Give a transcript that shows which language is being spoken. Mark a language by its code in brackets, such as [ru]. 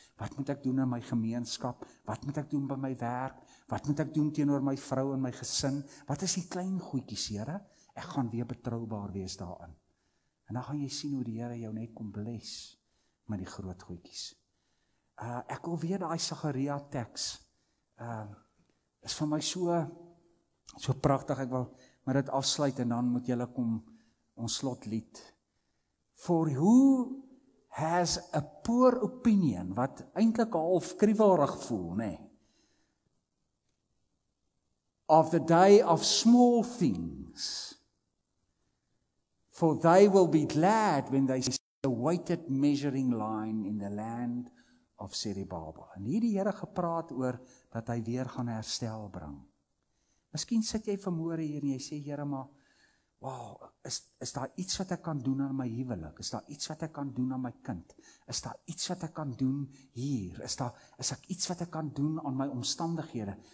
[af] Wat moet ek doen in my gemeenskap? Wat moet ek doen by my werk? Wat moet ek doen teenoor my vrou en my gesin? Wat is die klein goedjies, Here? Ek gaan weer betroubaar wees daarin. En dan gaan jy sien hoe die Here jou net kom bless met die groot goedjies. Ek wil weer die Sagaria teks. Is vir my so prachtig. Ek wil maar dit afsluit en dan moet jylle kom ons slotlied. [en] For who has a poor opinion, [af] wat eintlik half kriewelrig voel, nee, [en] of the day of small things, for they will be glad when they see the weighted measuring line in the land of Zerubbabel. [af] En hier die Here gepraat oor dat hy weer gaan herstel bring. Miskien sit jy vanmore hier en jy sê, Here, maar wow, is daar iets wat ek kan doen aan my huwelik? Is daar iets wat ek kan doen aan my kind? Is daar iets wat ek kan doen hier? Is ek iets wat ek kan doen aan my omstandighede?